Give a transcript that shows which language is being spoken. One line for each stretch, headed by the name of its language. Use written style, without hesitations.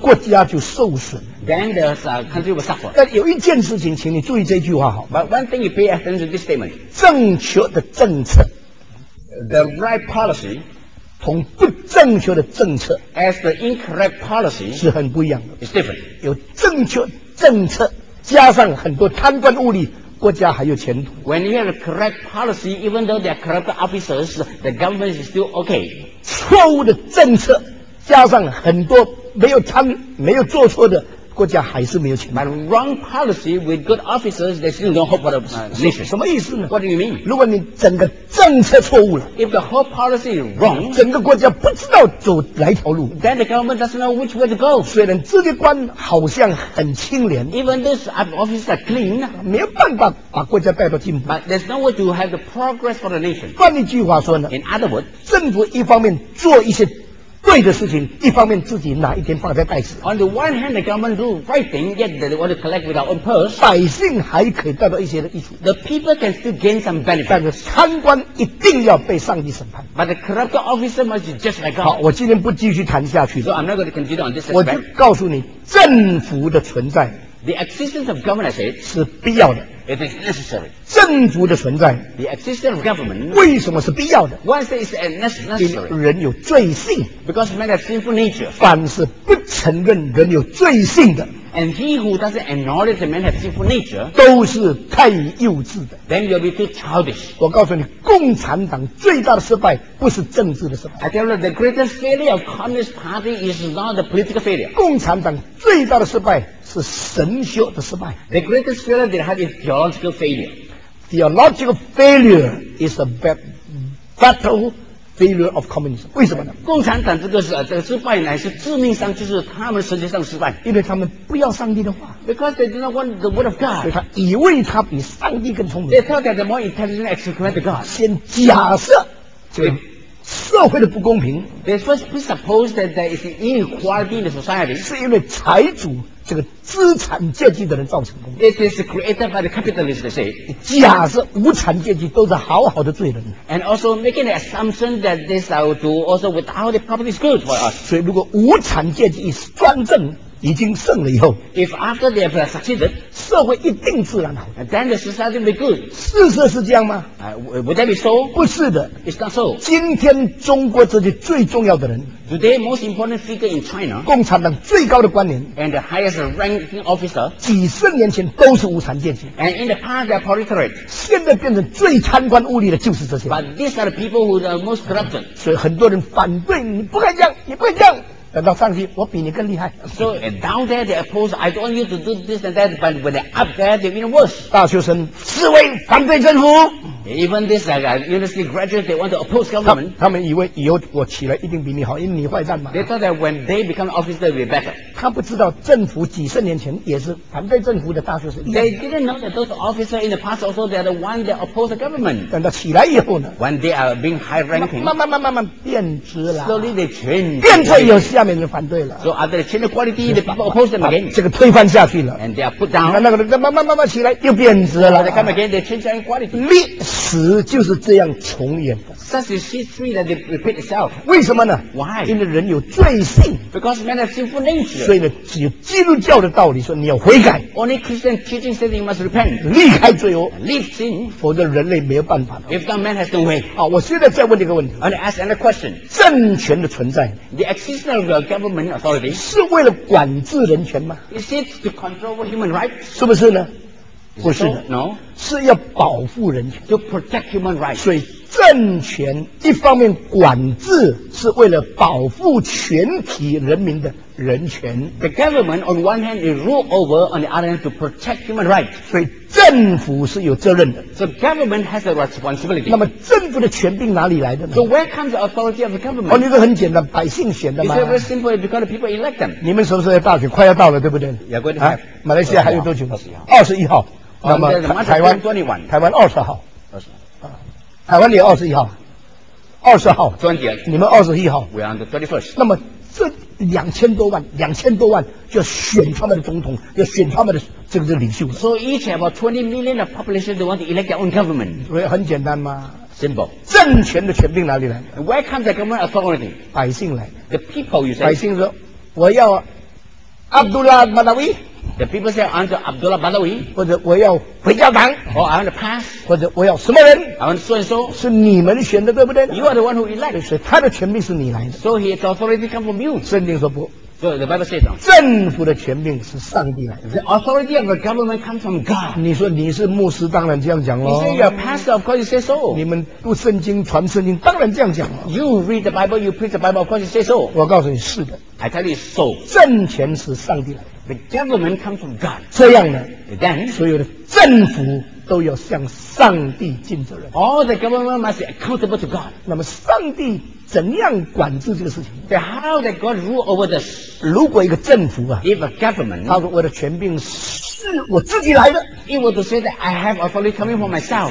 Chinese: 国家就受损。
English: Then the country will suffer.
Chinese: 但有一件事情，请你注意这句话好。
English: But one thing you pay attention to this statement.
Chinese: 正确的政策
English: ，the right policy.
Chinese: 同不正确的政策
English: ，as the incorrect policy
Chinese: 是很不一样的
English: ，is different。
Chinese: 有正确政策，加上很多贪官污吏，国家还有前途。
English: When you have a correct policy, even though they are corrupt officers, the government is still okay。
Chinese: 错误的政策，加上很多没有做错的。国家还是没有钱。
English: But wrong policy with good officers, there's still no hope for the nation.
Chinese: 什么意思呢
English: ？What do you mean?
Chinese: 如果你整个政策错误了
English: ，If the whole policy is wrong,
Chinese: 整个国家不知道走哪条路
English: ，Then the government doesn't know which way to go.
Chinese: 虽然这些官好像很清廉
English: ，Even this office is clean,
Chinese: 没有办法把国家带到进步。
English: But there's no way to have the progress for the nation.
Chinese: 换一句话说呢
English: ，In other words,
Chinese: 政府一方面做一些。对的事情，一方面自己哪一天放在袋子。
English: On the one hand, the government do right thing, yet they want to collect with our own purse.
Chinese: 百姓还可以得到一些的益处。
English: The people can still gain some benefit.
Chinese: 但是贪官一定要被上帝审判。
English: But the corrupt officer must be just like God.
Chinese: 好，我今天不继续谈下去了。
English: So I'm not going to continue on this aspect.
Chinese: 我就告诉你，政府的存在
English: ，the existence of government, I say,
Chinese: 是必要的。
English: It is necessary.
Chinese: 政府的存在
English: ，the existence of government，
Chinese: 为什么是必要的
English: ？Why is it necessary？
Chinese: 因为人有罪性
English: ，because man has sinful nature。
Chinese: 凡是不承认人有罪性的
English: ，and he who doesn't acknowledge man has sinful nature，
Chinese: 都是太幼稚的。
English: Then you'll be too childish。
Chinese: 我告诉你，共产党最大的失败不是政治的失败。
English: I tell you, the greatest failure of Communist Party is not the political failure。
Chinese: 共产党最大的失败。是神学的失败。
English: The greatest failure they had is theological failure. Theological failure is a battle failure of communism.
Chinese: 为什么呢？共产党这个失败乃是致命伤，就是他们实际上失败，因为他们不要上帝的话。
English: Because they do not want the word of God.
Chinese: 所以他以为他比上帝更聪明。
English: They thought that they're more intelligent and smarter than God.
Chinese: 先假设这个社会的不公平。
English: They first presuppose that there is inequality in the society.
Chinese: 是因为财主。这个资产阶级的人造成功。
English: It is created by the capitalists, they say.
Chinese: 假设无产阶级都是好好的罪人。
English: And also making an assumption that this will do also without the property is good for us.
Chinese: 所以如果无产阶级专政已经胜了以后
English: ，If after they have succeeded，
Chinese: 社会一定自然好。
English: Then the society will be good。
Chinese: 事实是这样吗？
English: Would that be so？
Chinese: 不是的
English: ，It's not so。
Chinese: 今天中国这些最重要的人
English: ，Today most important figure in China，
Chinese: 共产党最高的官员
English: ，And the highest ranking officer，
Chinese: 几十年前都是无产阶级
English: ，And in the past they are proletariat。
Chinese: 现在变成最贪官污吏的就是这些。
English: But these are the people who are most corrupt。
Chinese: 所以很多人反对，你不敢这样，你不敢这样。等到上去，我比你更厉害。
English: So down there they oppose. I don't want you to do this and that. But when they're up there, they're even worse.
Chinese: 大学生示威反对政府。
English: Even this university graduate, they want to oppose government.
Chinese: 他们以为以后我起来一定比你好，因为你坏蛋嘛。
English: They thought that when they become officer, they'll be better.
Chinese: 他不知道政府几十年前也是反对政府的大学生。
English: They didn't know that those officers in the past also they're the one that oppose the government.
Chinese: 等到起来以后呢
English: ？When they are being high ranking.
Chinese: 慢慢变质了。
English: Slowly they change.
Chinese: 变质有效。下面就反对了。
English: So after they change the quality, the people oppose them again.
Chinese: 这个推翻下去了。
English: And they are put down.
Chinese: 那个慢慢起来又贬值了。
English: They come again, they change the quality.
Chinese: 历史就是这样重演的。
English: Such is history that they repeat itself.
Chinese: 为什么呢
English: ？Why?
Chinese: 因为人有罪性。
English: Because men have sinful nature.
Chinese: 所以呢，只有基督教的道理说你要悔改。
English: Only Christian teaching says you must repent.
Chinese: 离开罪恶。
English: Leave sin.
Chinese: 否则人类没有办法。
English: If not, man has no way.
Chinese: 好，我现在再问一个问题。
English: And ask another question.
Chinese: 政权的存在。
English: The existence of government authority
Chinese: 是为了管制人权吗
English: ？Is it to control human rights？
Chinese: 是不是呢？不是的
English: ，No，
Chinese: 是要保护人权
English: ，to protect human rights。
Chinese: 所以政权一方面管制，是为了保护全体人民的人权。
English: The government on one hand is rule over, on the other hand to protect human rights。
Chinese: 所以政府是有责任的。
English: So government has a responsibility。
Chinese: 那么政府的权柄哪里来的呢
English: ？So where comes the authority of the government？
Chinese: 哦，你这很简单，百姓选的嘛。
English: It's very simple because the people elect them。
Chinese: 你们什么时候大选？快要到了，对不对
English: ？You're going to have、
Chinese: 马来西亚还有多久？21号。那么台湾20号，台湾也21号，20号，你们21号
English: ，We are on the 21st。
Chinese: 那么这2000多万就选他们的总统，要选他们的这个领袖。
English: So each have about 20 million of population they want to elect their own government。
Chinese: 所以很简单吗
English: ？Simple。
Chinese: 政权的权柄哪里来
English: ？Where comes the government authority？
Chinese: 百姓来。
English: The people you say。
Chinese: 百姓说，我要Abdullah Badawi。
English: The people say, I want Abdullah Badawi.
Chinese: 或者我要回教堂
English: Or I want to pass.
Chinese: 或者我要什么人
English: I want so and so.
Chinese: 是你们选的对不对
English: You are the one who elect.
Chinese: 所以他的权柄是你来的
English: So his authority comes from you.
Chinese: 圣经说不
English: So the Bible says no.
Chinese: 政府的权柄是上帝来的
English: The authority of the government comes from God.
Chinese: 你说你是牧师当然这样讲咯
English: You say you are pastor, of course you say so.
Chinese: 你们读圣经传圣经当然这样讲咯
English: You read the Bible, you preach the Bible, of course you say so.
Chinese: 我告诉你是的
English: I tell you so.
Chinese: 政权是上帝来的
English: The government comes from God.
Chinese: 这样呢
English: ，then
Chinese: 所有的政府都要向上帝尽责任。
English: All the government must be accountable to God.
Chinese: 那么上帝怎样管制这个事情
English: ？Then how did God rule over this?
Chinese: 如果一个政府啊
English: ，if a government，
Chinese: 他说我的权柄是我自己来的
English: ，it was to say that I have authority coming from myself.